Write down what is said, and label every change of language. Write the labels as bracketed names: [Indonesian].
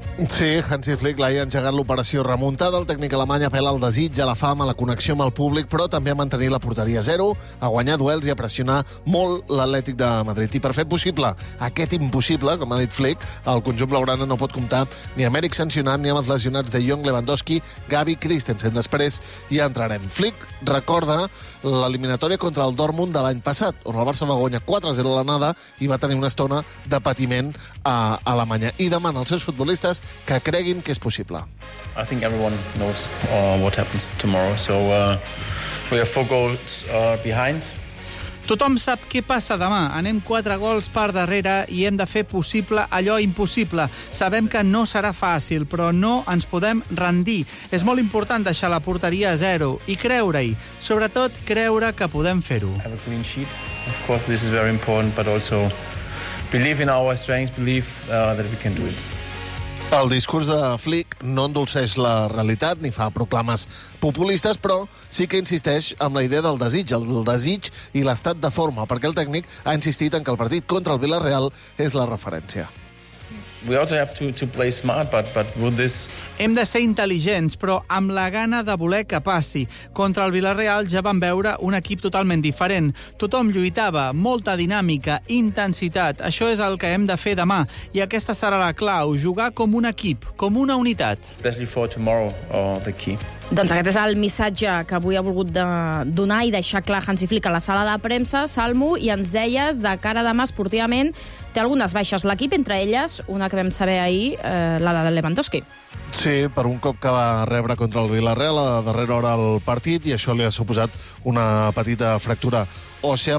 [Catalan] Sí, Hansi Flick l'ha engegat l'operació remuntada. El tècnic alemany apela al desig, a la fama, a la connexió amb el públic, però també a mantenir la porteria a zero, a guanyar duels i a pressionar molt l'Atlètic de Madrid. I per fer possible aquest impossible, com ha dit Flick, el conjunt blaugrana no pot comptar ni amb Eric sancionat ni amb els lesionats de Jong, Lewandowski, Gavi, Christensen. Després hi entrarem. Flick recorda l'eliminatòria contra el Dortmund de l'any passat, on el Barça va guanyar 4-0 a l'anada i va tenir una estona de patiment a Alemanya. I demana als seus futbolistes que creguin que és possible. [English] I think everyone knows what happens tomorrow, so we have 4 goals behind. [Catalan] Tothom sap què passa demà. Anem 4 gols per darrere i hem de fer possible allò impossible. Sabem que no serà fàcil, però no ens podem rendir. És molt important deixar la porteria a zero i creure-hi. Sobretot, creure que podem fer-ho. [English] Have a clean sheet. Of course, this is very important, but also believe in our strengths, believe that we can do it. [Catalan] El discurs de Flick no endolceix la realitat ni fa proclames populistes, però sí que insisteix en la idea del desig, el desig i l'estat de forma, perquè el tècnic ha insistit en que el partit contra el Villarreal és la referència. [English] We also have to play smart, but with this... [Catalan] Hem de ser intel·ligents, però amb la gana de voler que passi. Contra el Villarreal ja vam veure un equip totalment diferent. Tothom lluitava, molta dinàmica, intensitat. Això és el que hem de fer demà. I aquesta serà la clau, jugar com un equip, com una unitat. [English] Especially for tomorrow, the key. [Catalan] Doncs aquest és el missatge que avui ha volgut donar i deixar clar Hansi Flick a la sala de premsa, Salmo, i ens deies de cara demà esportivament té algunes baixes l'equip, entre elles una que vam saber ahir, la de Lewandowski. Sí, per un cop que va rebre contra el Villarreal a darrera hora el partit i això li ha suposat una petita fractura òssea.